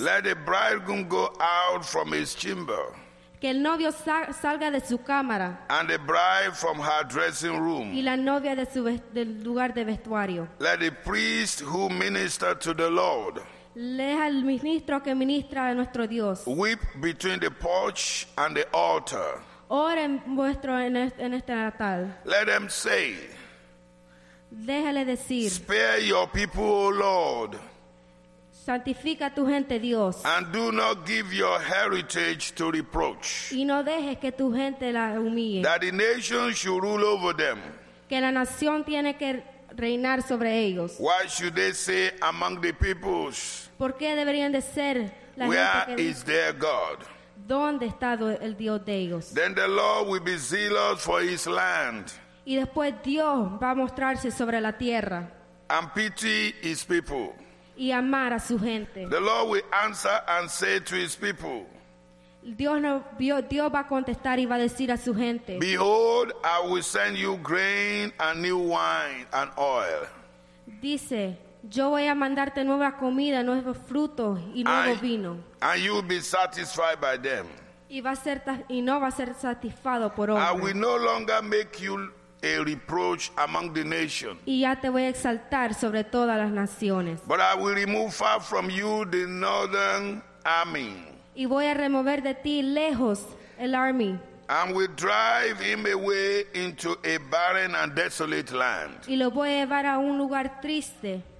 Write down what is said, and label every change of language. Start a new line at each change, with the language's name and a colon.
English: Let the bridegroom go out from his chamber.
Spanish: Que el novio salga de su cámara.
English: And the bride from her dressing room.
Spanish: Y la novia de su del lugar de vestuario.
English: Let the priest who minister to the Lord.
Spanish: Lea al ministro que ministra a nuestro Dios.
English: Weep between the porch and the altar.
Spanish: Oren vuestro en este altar.
English: Let them say.
Spanish: Déjale decir.
English: Spare your people, O Lord.
Spanish: Santifica tu gente, Dios.
English: And do not give your heritage to reproach.
Spanish: Y no dejes que tu gente la humille.
English: That the nation should rule over them.
Spanish: Que la nación tiene que reinar sobre ellos.
English: What should they say among the peoples?
Spanish: ¿Por qué deberían de ser la
English: Where
Spanish: gente que dice,
English: is their God?
Spanish: ¿Dónde está el Dios de ellos?
English: Then the Lord will be zealous for his land.
Spanish: Y después Dios va a mostrarse sobre la tierra.
English: And pity his people.
Spanish: Y amar a su gente.
English: The Lord will answer and say to his people.
Spanish: Dios va a contestar y va a decir a su gente.
English: Behold, I will send you grain and new wine and oil.
Spanish: Dice, yo voy a mandarte nueva comida, nuevos frutos y nuevo vino.
English: And you will be satisfied by them.
Spanish: Y no va a ser satisfado por hombres.
English: I will no longer make you a reproach among the nation.
Spanish: Y ya te voy a exaltar sobre todas las naciones.
English: But I will remove far from you the northern army.
Spanish: Y voy a remover de ti lejos el army.
English: And will drive him away into a barren and desolate land.
Spanish: Y lo voy a llevar a un lugar triste.